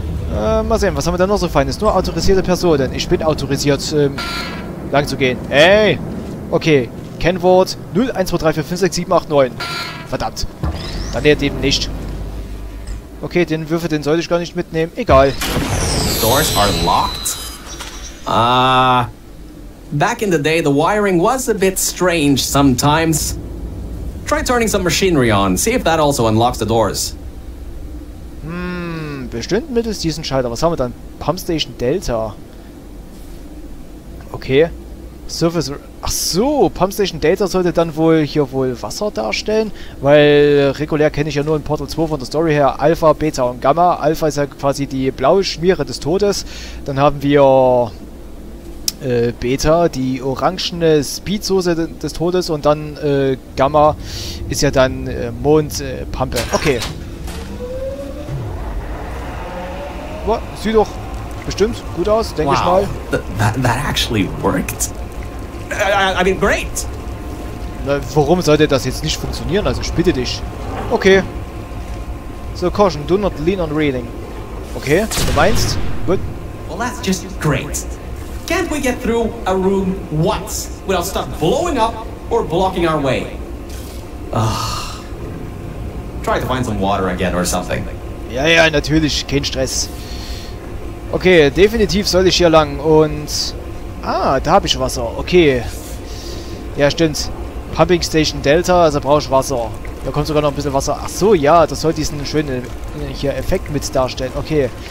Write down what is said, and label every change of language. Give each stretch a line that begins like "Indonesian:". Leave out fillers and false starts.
German: Mal sehen, was haben wir da noch so Feines? Nur autorisierte Personen. Ich bin autorisiert, lang zu gehen. Ey! Okay. Kennwort 01234567 89. Verdammt. Dann lehrt eben nicht. Okay, den Würfel, den sollte ich gar nicht mitnehmen. Egal.
English: Doors are locked. Back in the day, the wiring was a bit strange sometimes. Try turning some machinery on. See if that also unlocks the doors.
German: Bestimmt mittels diesen Schalter. Was haben wir dann? Pump Station Delta. Okay. Surface. Ach so, Pump Station Data sollte dann wohl hier wohl Wasser darstellen, weil regulär kenne ich ja nur in Portal 2 von der Story her Alpha, Beta und Gamma. Alpha ist ja quasi die blaue Schmiere des Todes. Dann haben wir Beta, die orangene Speedsoße des Todes und dann Gamma ist ja dann Mondpumpe. Okay. Boah, sieht doch bestimmt gut aus, denke ich mal.
English: That actually worked. Great!
German: Na, warum sollte das jetzt nicht funktionieren? Also, ich bitte dich. Okay.
English: So, caution, do not lean on railing.
German: Okay, du meinst? Gut.
English: Well, that's just great. Can't we get through a room once without stuff blowing up or blocking our way? Try to find some water again or something.
German: Ja, ja, natürlich, kein Stress. Okay, definitiv soll ich hier lang und. Ah, da habe ich Wasser. Okay. Ja, stimmt. Pumping Station Delta, also brauche ich Wasser. Da kommt sogar noch ein bisschen Wasser. Ach so, ja, das soll diesen schönen hier Effekt mit darstellen. Okay.